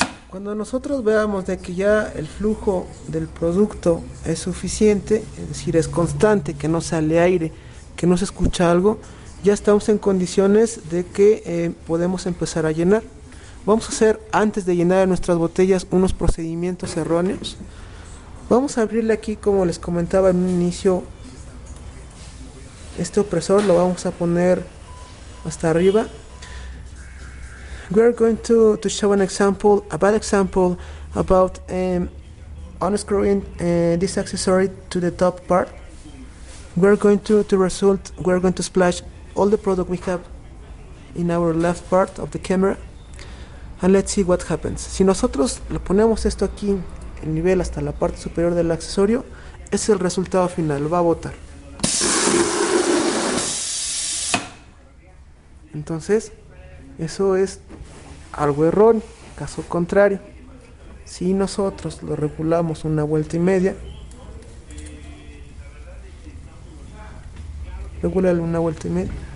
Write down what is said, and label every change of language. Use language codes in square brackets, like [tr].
[es] Cuando nosotros veamos de que ya el flujo del producto es suficiente, es decir, es constante, que no sale aire, que no se escucha algo, ya estamos en condiciones de que podemos empezar a llenar. Vamos a hacer, antes de llenar nuestras botellas, unos procedimientos erróneos. Vamos a abrirle aquí, como les comentaba en un inicio, este opresor lo vamos a poner hasta arriba. [en] We are going to show an example, a bad example, about unscrewing this accessory to the top part. We are going to splash all the product we have in our left part of the camera, and let's see what happens. [es] Si nosotros lo ponemos esto aquí, el nivel hasta la parte superior del accesorio, es el resultado final, lo va a botar. Entonces, eso es algo erróneo. Caso contrario, si nosotros lo regulamos una vuelta y media, regúlalo una vuelta y media.